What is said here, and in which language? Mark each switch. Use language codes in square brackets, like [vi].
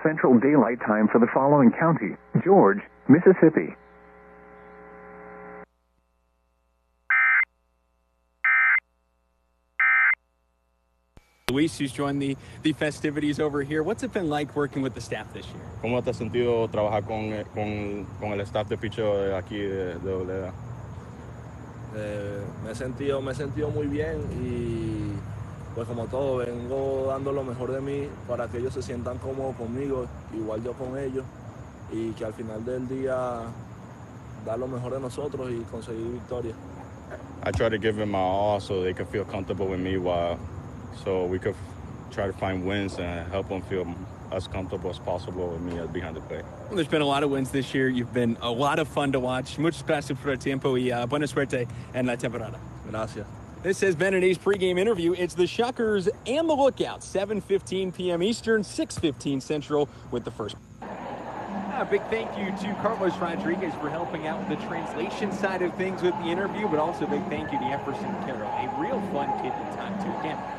[en] Central Daylight Time for the following county: George, Mississippi. Luis, who's joined the festivities over here. What's it been like working with the staff this year? [es] ¿Cómo te has sentido trabajar con el staff de picheo aquí de Oleda? Me he sentido muy bien y pues como todo vengo dando lo mejor de mí para que ellos se sientan cómodos conmigo, igual yo con ellos, y que al final del día dar lo mejor de nosotros y conseguir victoria. [en] I try to give them my all so they can feel comfortable with me so we could try to find wins and help them feel as comfortable as possible with me as behind the plate. Well, there's been a lot of wins this year. You've been a lot of fun to watch. [es] Muchas gracias por el tiempo y buena suerte en la temporada. Gracias. [en] This is Ben and A's pregame interview. It's the Shuckers and the Lookout, 7:15 p.m. Eastern, 6:15 Central, with the first. A big thank you to Carlos Rodriguez for helping out with the translation side of things with the interview, but also a big thank you to Jefferson Carroll, a real fun kid to talk to again.